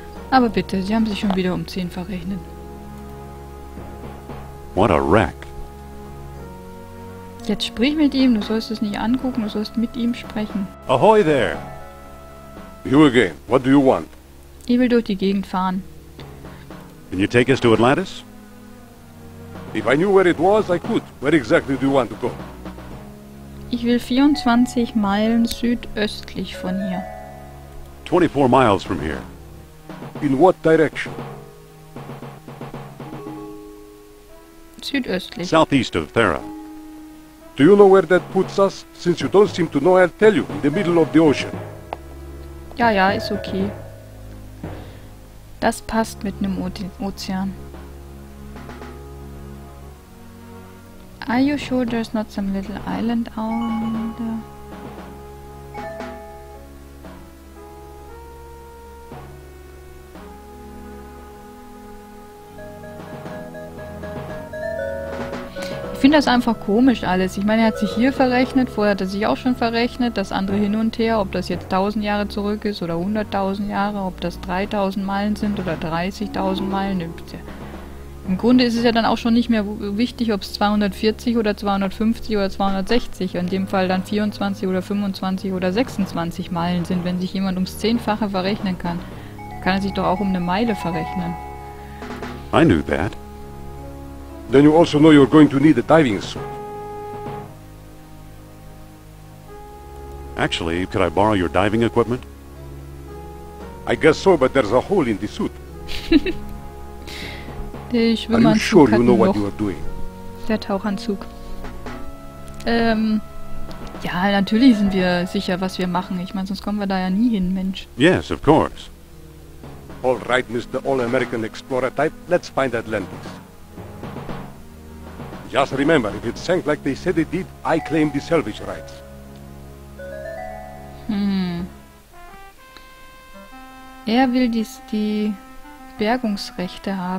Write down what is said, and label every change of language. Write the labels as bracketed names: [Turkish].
[German] Aber bitte, sie haben sich schon wieder um 10 verrechnet. [English] What a wreck. [German] Jetzt sprich mit ihm, du sollst es nicht angucken, du sollst mit ihm sprechen. [English] Ahoy there. You again. What do you want? [German] Ich will durch die Gegend fahren. [English] Can you take us to Atlantis? If I knew where it was, I could. Where exactly do you want to go? [German] Ich will 24 Meilen südöstlich von hier. [English] 24 miles from here. In what direction? [German] Südöstlich. [English] Southeast of Terra. Do you know where that puts us? Since you don't seem to know, I'll tell you. In the middle of the ocean. [German] Ja, ja, ist okay. Das passt mit einem Ozean. [English] Are you sure there's not some little island out there? [German] Ich finde das einfach komisch alles. Ich meine, er hat sich hier verrechnet, vorher hat er sich auch schon verrechnet, das andere hin und her, ob das jetzt 1000 Jahre zurück ist oder 100.000 Jahre, ob das 3000 Meilen sind oder 30.000 Meilen. Im Grunde ist es ja dann auch schon nicht mehr wichtig, ob es 240 oder 250 oder 260, in dem Fall dann 24 oder 25 oder 26 Meilen sind, wenn sich jemand ums Zehnfache verrechnen kann. Kann er sich doch auch um eine Meile verrechnen. [English] I knew that. Then you also know you're going to need a diving suit. Actually, could I borrow your diving equipment? I guess so, but there's a hole in the suit. [German] Der Schwimmanzug. [English] Are you sure you know what you are doing? [German] Der Tauchanzug. Ja, natürlich sind wir sicher, was wir machen. Ich meine, sonst kommen wir da ja nie hin, Mensch. [English] Yes, of course. All right, Mr. All-American Explorer type, let's find Atlantis. Just remember, if it sank like they said it did, I claim the salvage rights. [German] Er will die Bergungsrechte haben.